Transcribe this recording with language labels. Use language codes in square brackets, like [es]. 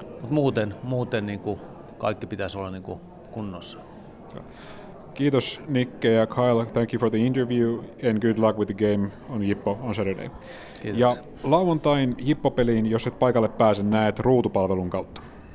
[fi] Mutta muuten niin kuin kaikki pitäisi olla niin kuin kunnossa. Kiitos Nikke ja Kyle, [en] thank you for the interview and good luck with the game on Jippo on Saturday. [fi] Kiitos. Ja lauantain Jippo-peliin, jos et paikalle pääse, näet ruutupalvelun kautta.